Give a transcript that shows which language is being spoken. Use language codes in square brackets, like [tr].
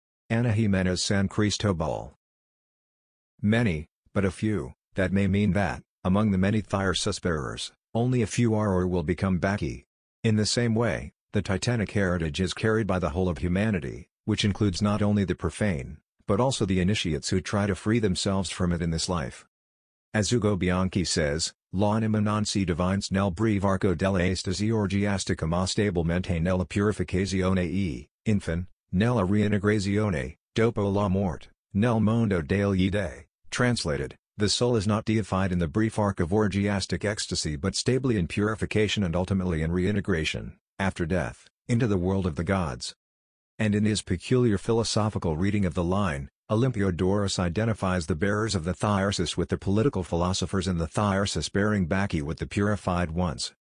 [en] Ana Jimenez San Cristobal. Many, but a few, that may mean that, among the many thyrsus bearers, only a few are or will become bacchi. In the same way, the titanic heritage is carried by the whole of humanity, which includes not only the profane, but also the initiates who try to free themselves from it in this life. [it] As Ugo Bianchi says, l'anima non si divines nel breve arco dell'estasi orgiastica ma stabilmente nella purificazione e, infin, nella reintegrazione, dopo la morte, nel mondo degli dei. [en] Translated, the soul is not deified in the brief arc of orgiastic ecstasy but stably in purification and ultimately in reintegration, after death, into the world of the gods. And in his peculiar philosophical reading of the line, Olympiodorus identifies the bearers of the thyrsus with the political philosophers and the thyrsus bearing bacchi with the purified ones.